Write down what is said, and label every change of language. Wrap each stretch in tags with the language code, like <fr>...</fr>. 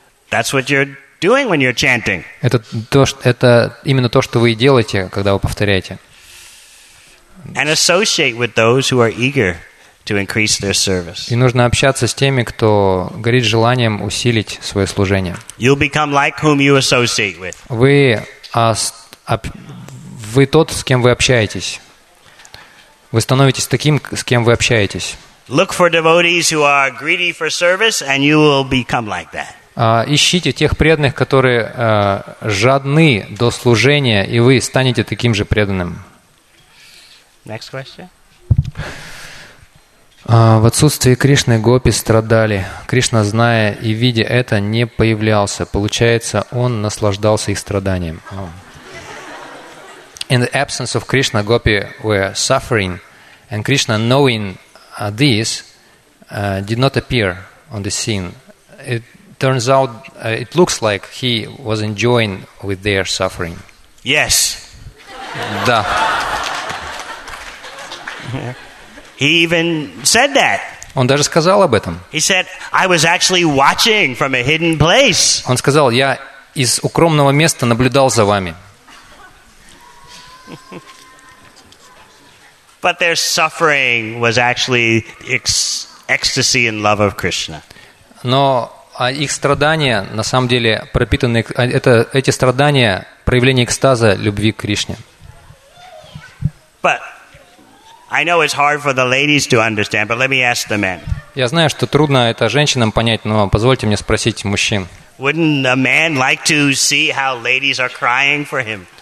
<en>That's what you're doing when you're chanting.</en> <ru>Это именно то, что вы делаете, когда вы повторяете.</ru> <en>And associate with those who are eager to increase their service.</en> <ru>И нужно общаться с теми, кто горит желанием усилить свое служение.</ru> <en>You'll become like whom you associate with.</en> <ru>Вы тот, с кем вы общаетесь. Вы становитесь таким, с кем вы общаетесь.</ru> <en>Look for devotees who are greedy for service, and you will become like that.</en> <ru>Ищите тех преданных, которые жадны до служения, и вы станете таким же преданным.</ru> <en>Next question.</en> <ru>В отсутствии Кришны гопи страдали. Кришна, зная и видя это, не появлялся. Получается, он наслаждался их страданием.</ru> <en>In the absence of Krishna, gopi were suffering, and Krishna, knowing this, did not appear on the scene. It turns out, it looks like he was enjoying with their suffering. Yes.</en> <ru>Да.</ru> <en>He even said that.</en> <ru>Он даже сказал об этом.</ru> <en>He said, "I was actually watching from a hidden place."</en> <ru>Он сказал, я из укромного места наблюдал за вами.</ru> <en>But their suffering was actually ecstasy and love of Krishna.</en> <ru>Но их страдания на самом деле пропитаны эти страдания проявление экстаза любви к Кришне.</ru> <en>But I know it's hard for the ladies to understand, but let me ask the men.</en> <ru>Я знаю, что трудно это женщинам понять, но позвольте мне спросить мужчин.</ru> <en>Wouldn't a man like to see how ladies are crying for him?</en>